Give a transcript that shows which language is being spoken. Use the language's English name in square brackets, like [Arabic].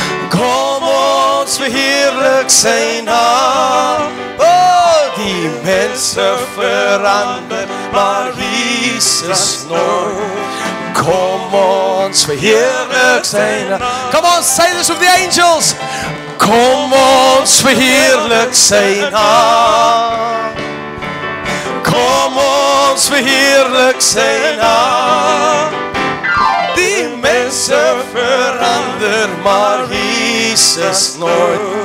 [Afrikaans] Kom ons verheerlik sy naam. Oh, die mense verander, maar Jesus nooit. Kom ons verheerlik sy naam. [English] Come on, say this with the angels. [Afrikaans] Kom ons verheerlik sy naam. Kom ons verheerlik sy naam. Die mense verander, maar Jesus nooit.